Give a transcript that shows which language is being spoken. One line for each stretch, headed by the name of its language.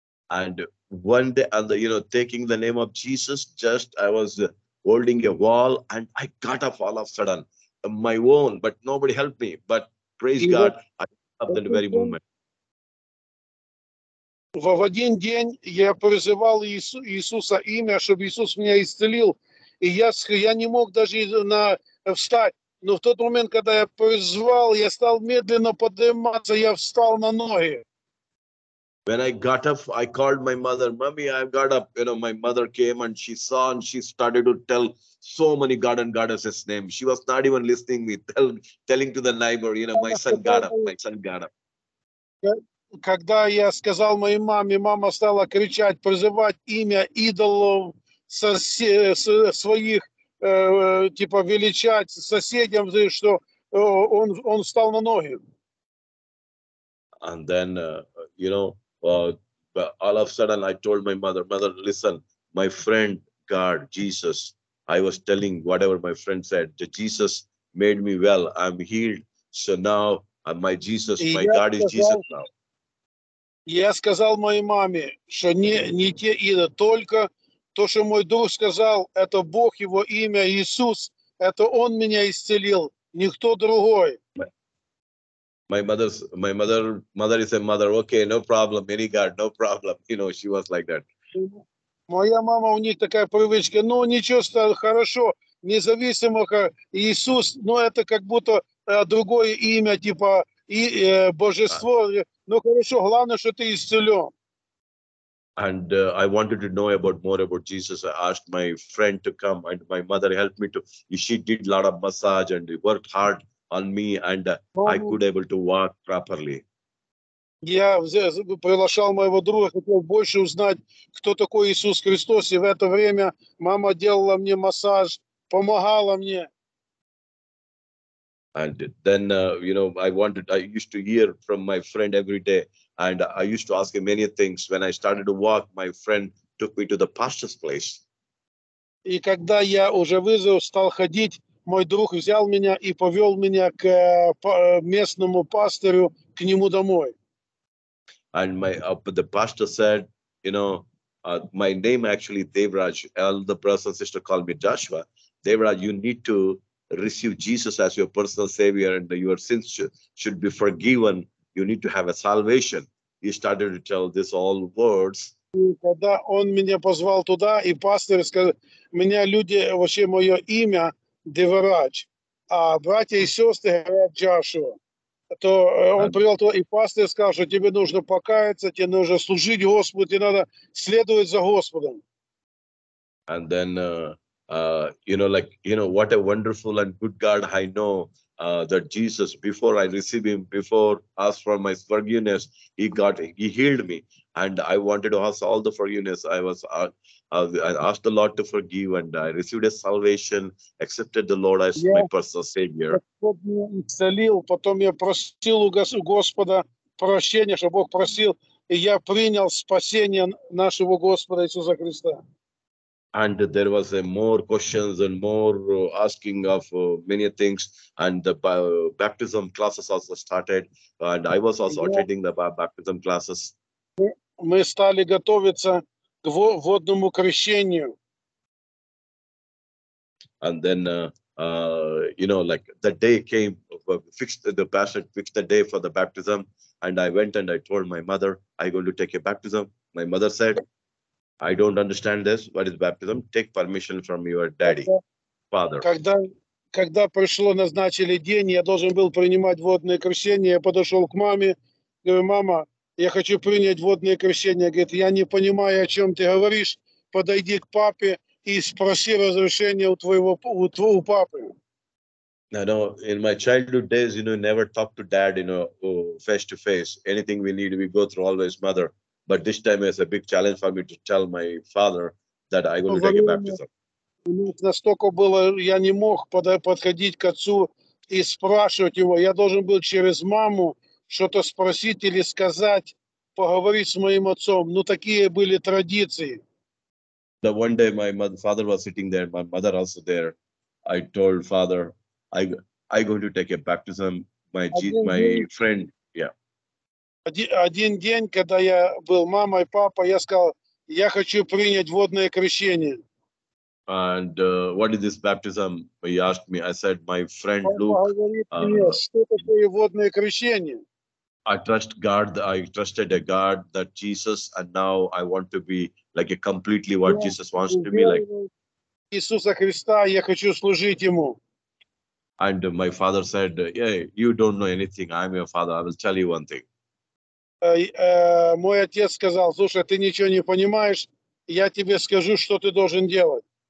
English: And one day, and the, you know, taking the name of Jesus, just I was holding a wall, and I got up all of a sudden, my own, but nobody helped me. But praise God, I got up that very moment.
Russian: В один день я призывал Иисуса имя, чтобы Иисус меня исцелил, и я не мог даже встать. Но в тот момент, когда я призвал, я стал медленно подниматься, я встал на ноги.
English: When I got up, I called my mother, Mommy, I got up. You know, my mother came and she saw and she started to tell so many God and Goddesses' names. She was not even listening to me, telling to the neighbor, you know, my son got up, my son got up.
Russian: когда я сказал моей маме, мама стала кричать, призывать имя идолов своих, типа величать соседям, что он встал на ноги.
English: And then, all of a sudden I told my mother, mother, listen, my friend God, Jesus, I was telling whatever my friend said, that Jesus made me well, I'm healed. So now my Jesus, my God is Jesus now.
Russian: Я сказал моей маме, что не те имя, только то, что мой дух сказал, это Бог, его имя Иисус, это Он меня исцелил, никто другой.
English: My mother is a mother. Okay, no problem, any God, no problem. You know, she was like that.
Russian: Моя мама, у них такая привычка, ну ничего, стало хорошо, независимо, Иисус, но это как будто другое имя, типа и Божество. Ну хорошо, главное, что ты исцелен.
English: And I wanted to know more about Jesus. I asked my friend to come, and my mother helped me to. She did a lot of massage and worked hard on me, and I could able to walk properly.
Russian: Я приглашал моего друга, хотел больше узнать, кто такой Иисус Христос, и в это время мама делала мне массаж, помогала мне.
English: And then, I used to hear from my friend every day, and I used to ask him many things. When I started to walk, my friend took me to the pastor's place.
Russian: И когда я уже вызвал, стал ходить, мой друг взял меня и повел меня к местному пастору, к нему домой.
English: And the pastor said, my name actually Devraj. All the brothers and sisters call me Joshua. Devraj, you need to receive Jesus as your personal savior, and your sins should be forgiven. You need to have a salvation. He started to tell this all words.
Russian: Когда он меня позвал туда, и пастор сказал, меня люди вообще мое имя Девраж, а братья и сестры говорят Джошуа. То он привел туда, и пастор сказал, что тебе нужно покаяться, тебе нужно служить Господу, тебе надо следовать за Господом.
English: And then, what a wonderful and good God I know, that Jesus, before I receive him, before ask for my forgiveness, he healed me. And I wanted to ask all the forgiveness. I asked the Lord to forgive, and I received a salvation, accepted the Lord as my personal savior.
Russian: Бог меня исцелил, потом я просил у Господа прощения, что Бог просил, и я принял спасение нашего Господа Иисуса Христа.
English: And there was more questions and more asking of many things, and the baptism classes also started, and I was also attending the baptism classes.
Russian: Мы стали готовиться к водному крещению.
English: And then, the day came, the pastor fixed the day for the baptism, and I went and I told my mother, I'm going to take a baptism. My mother said, I don't understand this. What is baptism? Take permission from your daddy, father.
Russian: Когда пришло, назначили день, я должен был принимать водное крещение. Я подошел к маме, говорю, мама, я хочу принять водное крещение. Говорит, я не понимаю, о чем ты говоришь. Подойди к папе и спроси разрешение у твоего папы.
English: No. In my childhood days, never talk to dad, face to face. Anything we need, we go through always mother. But this time is a big challenge for me to tell my father that I'm going to take a baptism.
Russian: Настолько было, я не мог подходить к отцу и спрашивать его. Я должен был через маму что-то спросить или сказать, поговорить с моим отцом. Ну, такие были традиции.
English: The one day my father was sitting there, my mother also there. I told father, I'm going to take a baptism. My friend, yeah.
Russian: Один день, когда я был мамой, папой, я сказал, я хочу принять водное крещение.
English: And what is this baptism? He asked me, I said, my friend Luke.
Russian: Папа говорит мне, что такое водное крещение?
English: I trusted a God that Jesus, and now I want to be like a completely what Jesus wants to be like.
Russian: Иисуса Христа, я хочу служить Ему.
English: And my father said, yeah, you don't know anything. I'm your father. I will tell you one thing.
Russian: Мой отец сказал, слушай, ты ничего не понимаешь, я тебе скажу, что ты должен делать.